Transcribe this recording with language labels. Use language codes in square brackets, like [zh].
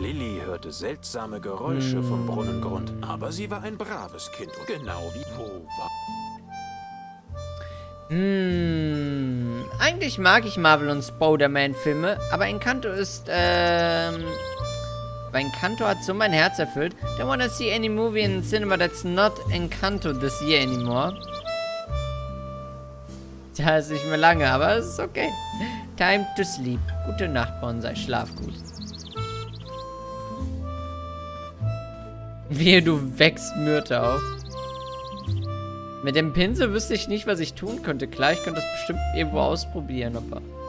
[de] Lilly hörte seltsame Geräusche vom Brunnengrund, aber sie war ein braves Kind und genau wie wo war. Eigentlich mag ich Marvel und Spider-Man-Filme, aber Encanto ist, Mein Encanto hat so mein Herz erfüllt. [en] Don't wanna see any movie in cinema that's not Encanto this year anymore. [de] Da ist nicht mehr lange, aber es ist okay. [en] Time to sleep. [de] Gute Nacht, Bonsai. Schlaf gut. Wehe, du wächst Myrte auf. Mit dem Pinsel wüsste ich nicht, was ich tun könnte. Klar, ich könnte das bestimmt irgendwo ausprobieren, aber...